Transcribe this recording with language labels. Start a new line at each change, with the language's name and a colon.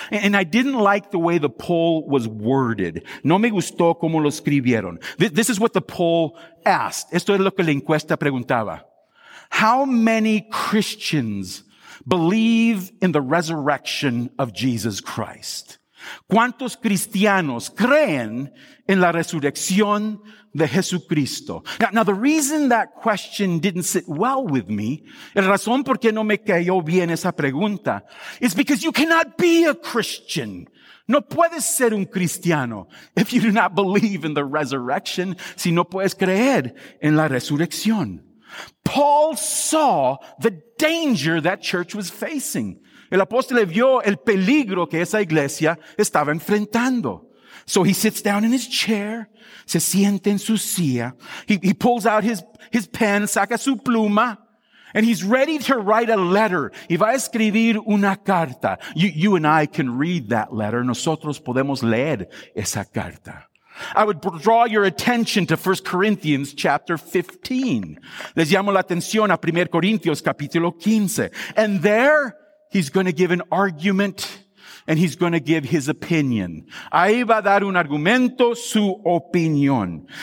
English: And I didn't like the way the poll was worded.
Spanish: No me gustó cómo lo escribieron.
English: This is what the poll asked.
Spanish: Esto es lo que la encuesta preguntaba.
English: How many Christians believe in the resurrection of Jesus Christ?
Spanish: ¿Cuántos cristianos creen en la resurrección de Jesucristo?
English: Now, the reason that question didn't sit well with me,
Spanish: la razón por qué no me cayó bien esa pregunta,
English: is because you cannot be a Christian.
Spanish: No puedes ser un cristiano
English: if you do not believe in the resurrection,
Spanish: si no puedes creer en la resurrección.
English: Paul saw the danger that church was facing.
Spanish: El apóstol vio el peligro que esa iglesia estaba enfrentando.
English: So he sits down in his chair,
Spanish: se siente en su silla.
English: He pulls out his pen,
Spanish: saca su pluma,
English: and he's ready to write a letter.
Spanish: Y va a escribir una carta.
English: You and I can read that letter.
Spanish: Nosotros podemos leer esa carta.
English: I would draw your attention to 1 Corinthians chapter 15.
Spanish: Les llamo la atención a 1 Corintios capítulo 15.
English: And there, he's going to give an argument and he's going to give his opinion.
Spanish: Ahí va a dar un argumento, su opinión.